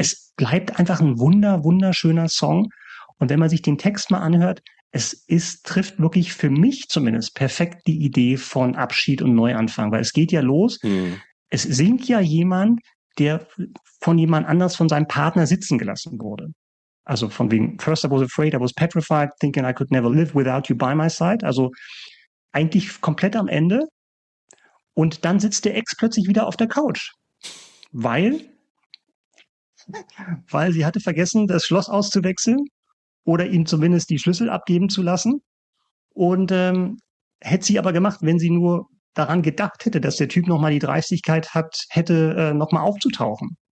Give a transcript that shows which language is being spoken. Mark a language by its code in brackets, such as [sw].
[de] Es bleibt einfach ein wunderschöner Song. Und wenn man sich den Text mal anhört, trifft wirklich für mich zumindest perfekt die Idee von Abschied und Neuanfang, weil es geht ja los. Mhm. Es singt ja jemand, der von jemand anders, von seinem Partner sitzen gelassen wurde. Also von wegen, [en] first I was afraid, I was petrified, thinking I could never live without you by my side. [de] Also eigentlich komplett am Ende. Und dann sitzt der Ex plötzlich wieder auf der Couch, weil sie hatte vergessen, das Schloss auszuwechseln oder ihm zumindest die Schlüssel abgeben zu lassen. Und hätte sie aber gemacht, wenn sie nur daran gedacht hätte, dass der Typ nochmal die Dreistigkeit hätte nochmal aufzutauchen.